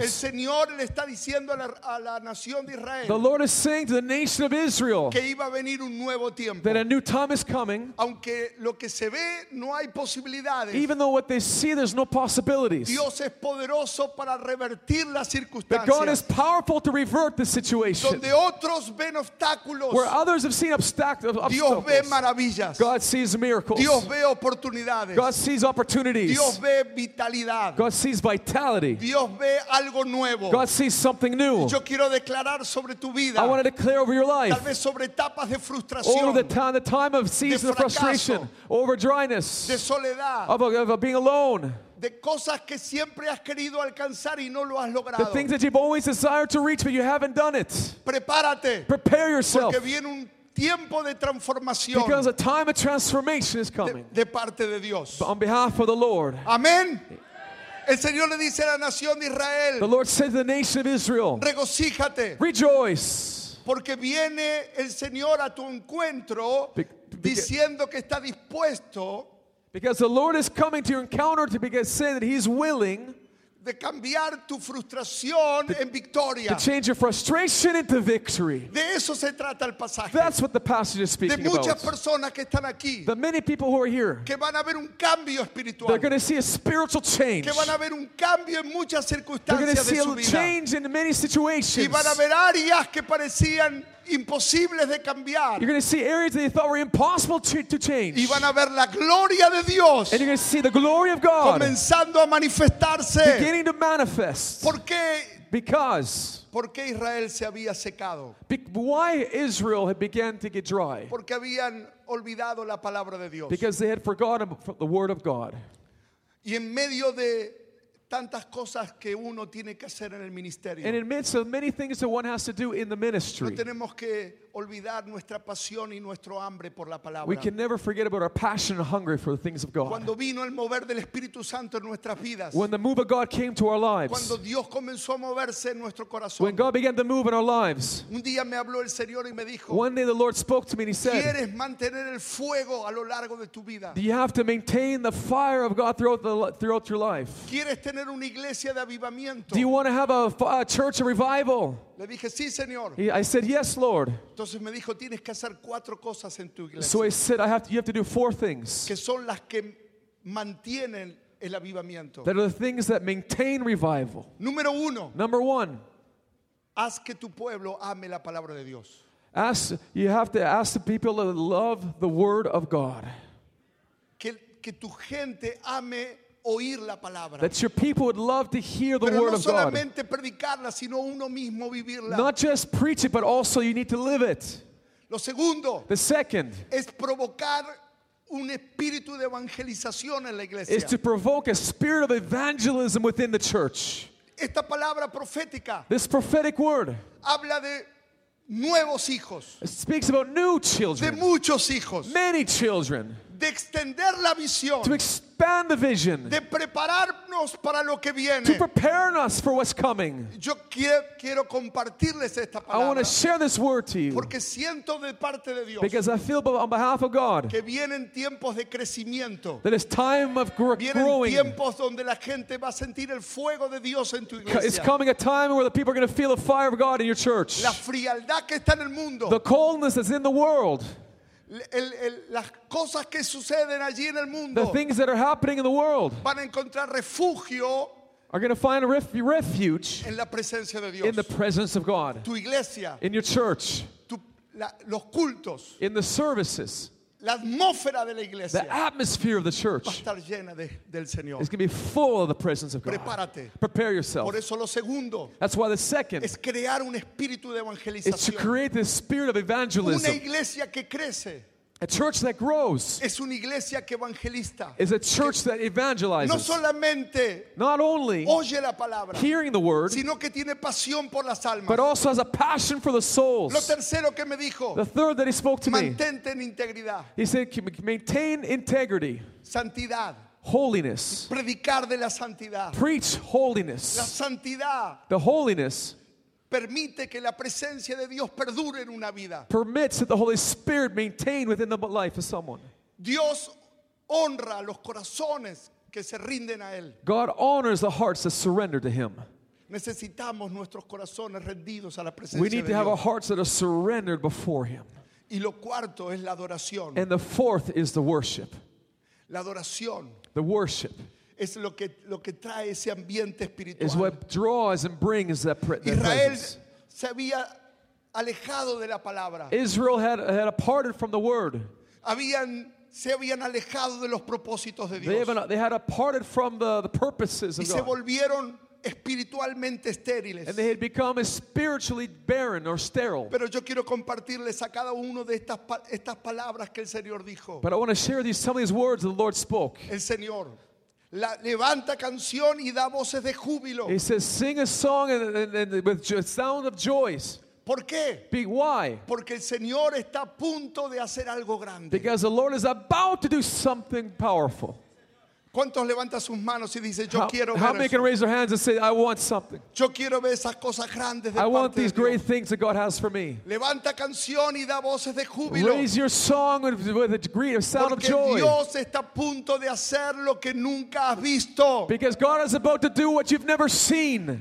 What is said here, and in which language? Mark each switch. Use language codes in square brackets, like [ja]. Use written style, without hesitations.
[es] El Señor le está diciendo a la nación de Israel. [en] The Lord is saying to the nation of Israel. [es] Que iba a venir un nuevo tiempo. [en] That a new time is coming. [es] Aunque lo que se ve no hay posibilidades. [en] Even though what they see there's no possibilities. [es] Dios es poderoso para revertir las circunstancias. [en] But God is powerful to revert the situation. [es] Donde otros ven obstáculos. [en] Where others have seen obstacles. [es] Dios ve maravillas. [en] God sees miracles. [es] Dios ve oportunidades. [en] God sees opportunities. [es] Dios ve vitalidad. [en] God sees vitality. [es] Dios ve algo nuevo. [en] God sees something new. [es] Yo quiero declarar sobre tu vida. [en] I want to declare over your life. [es] Tal vez sobre etapas de frustración. [en] Over the time of seasons [es] fracaso, [en] of frustration. Over dryness. [es] De soledad. [en] Of being alone. [es] De cosas que siempre has querido alcanzar y no lo has logrado. [en] The things that you've always desired to reach but you haven't done it. [es] Prepárate. [en] Prepare yourself. [es] Porque viene un tiempo de transformación. [en] Because a time of transformation is coming. [es] De parte de Dios. [en] But on behalf of the Lord. [es] Amén. El Señor le dice a la nación de Israel. [en] The Lord said to the nation of Israel. [es] Regocíjate. [en] Rejoice. [es] Porque viene el Señor a tu encuentro diciendo que está dispuesto. [en] Because the Lord is coming to your encounter to begin saying that he's willing. [es] De cambiar tu frustración en victoria. [en] To change your frustration into victory. [es] De eso se trata el pasaje. [en] That's what the passage is speaking about. [es] De muchas [en] about. [es] Personas que están aquí. [en] The many people who are here. [es] Que van a ver un cambio espiritual. [en] They're going to see a spiritual change. [es] Que van a ver un cambio en muchas circunstancias de su vida. [en] They're going to see a change in many situations. [es] Y van a ver áreas que parecían imposibles de cambiar. [en] You're going to see areas that you thought were impossible to change. [es] Y van a ver la gloria de Dios. [en] And you're going to see the glory of God. [es] Comenzando a manifestarse. [en] Beginning to manifest. [es] ¿Por qué? [en] Because. [es] ¿Por qué Israel se había secado? [en] Why Israel had began to get dry? [es] Porque habían olvidado la palabra de Dios. [en] Because they had forgotten the word of God. [es] Y en medio de tantas cosas que uno tiene que hacer en el ministerio. [en] And in midst of many things that one has to do in the ministry. [es] No tenemos que olvidar nuestra pasión y nuestro hambre por la palabra. [en] We can never forget about our passion and hunger for the things of God. [es] Cuando vino el mover del Espíritu Santo en nuestras vidas. [en] When the move of God came to our lives. [es] Cuando Dios comenzó a moverse en nuestro corazón. [en] When God began to move in our lives. [es] Un día me habló el Señor y me dijo. [en] One day the Lord spoke to me and he said. [es] ¿Quieres mantener el fuego a lo largo de tu vida? [en] Do you have to maintain the fire of God throughout your life? [es] ¿Quieres tener una iglesia de avivamiento? [en] Do you want to have a church of revival? [es] Le dije, sí, Señor. [en] I said, yes, Lord. [es] Entonces me dijo, tienes que hacer cuatro cosas en tu iglesia. [en] So I said, you have to do four things. [es] Que son las que mantienen el avivamiento. [en] That are the things that maintain revival. [es] Número uno. [en] Number one. [es] Haz que tu pueblo ame la palabra de Dios. [en] You have to ask the people to love the word of God. [es] Que tu gente ame oír la palabra. [en] That your people would love to hear the [es] Pero [en] word [es] no [en] of God. [es] Solamente predicarla, sino uno mismo vivirla. [en] Not just preach it, but also you need to live it. [es] Lo segundo, [en] the second [es] es provocar un espíritu de evangelización en la iglesia. [en] Is to provoke a spirit of evangelism within the church. [es] Esta palabra profética. [en] This prophetic word. [es] Habla de nuevos hijos. [en] It speaks about new children. [es] De muchos hijos. [en] Many children. [es] De extender la visión. [en] To expand the vision. [es] De prepararnos para lo que viene. [en] To prepare us for what's coming. [es] Yo quiero compartirles esta palabra. [en] I want to share this word to you. [es] Porque siento de parte de Dios. [en] Because I feel on behalf of God. [es] Que vienen tiempos de crecimiento. [en] That it's time of growing. [es] Vienen tiempos donde la gente va a sentir el fuego de Dios en tu iglesia. [en] It's coming a time where the people are going to feel the fire of God in your church. [es] La frialdad que está en el mundo. [en] The coldness that's in the world. [es] Las cosas que suceden allí en el mundo, [en] the things that are happening in the world, [es] van a encontrar refugio, [en] are going to find a refuge [es] en la presencia de Dios, [en] in the presence of God, [es] tu iglesia, [en] in your church, [es] los cultos, [en] in the services, [es] la atmósfera de la iglesia, [en] the atmosphere of the church, [es] va a estar llena del Señor. [en] It's going to be full of the presence of God. [es] Prepárate. [en] Prepare yourself. [es] Por eso lo segundo, [en] that's why the second [es] es crear un espíritu de evangelización. [en] It's to create the spirit of evangelism. [es] Una iglesia que crece, [en] a church that grows, [es] es una iglesia que evangelista, [en] is a church that evangelizes. [es] No solamente, [en] not only [es] oye la palabra, [en] hearing the word, [es] sino que tiene pasión por las almas, [en] but also has a passion for the souls. [es] Lo tercero que me dijo, [en] the third that he spoke to [es] mantente [en] me, [es] en integridad. [en] He said, maintain integrity, [es] santidad, [en] holiness, [es] predicar de la santidad, [en] preach holiness, [es] la santidad, [en] the holiness. [es] Permite que la presencia de Dios perdure en una vida. [en] Permits that the Holy Spirit maintain within the life of someone. [es] Dios honra los corazones que se rinden a él. [en] God honors the hearts that surrender to him. [es] Necesitamos nuestros corazones rendidos a la presencia de Dios. [en] We need to have our hearts that are surrendered before him. [es] Y lo cuarto es la adoración. [en] And the fourth is the worship. [es] La adoración. [en] The worship. [es] Es lo que trae ese ambiente espiritual. [en] Is what draws and brings that presence. [es] Israel se había alejado de la palabra. [en] Israel had departed from the word. [es] Se habían alejado de los propósitos de Dios. [en] They had departed from the purposes of God. [es] Y se volvieron espiritualmente estériles. [en] And they had become spiritually barren or sterile. [es] Pero yo quiero compartirles a cada uno de estas palabras que el Señor dijo. [en] But I want to share these, some of these words the Lord spoke. [es] El Señor. Levanta canción y da voces de júbilo. [en] He says, sing a song and with a sound of joy. [es] ¿Por qué? [en] Why? [es] Porque el Señor está a punto de hacer algo grande. [en] Because the Lord is about to do something powerful. [es] ¿Cuántos levantan sus manos y dicen, yo quiero ver? [en] How many can raise their hands and say, I want something. [es] Yo quiero ver esas cosas grandes de parte de Dios. [en] I want these great things that God has for me. [es] Levanta canción y da voces de júbilo. [en] Raise your song with a degree of sound of joy. [es] Porque Dios está a punto de hacer lo que nunca has visto. [en] Because God is about to do what you've never seen.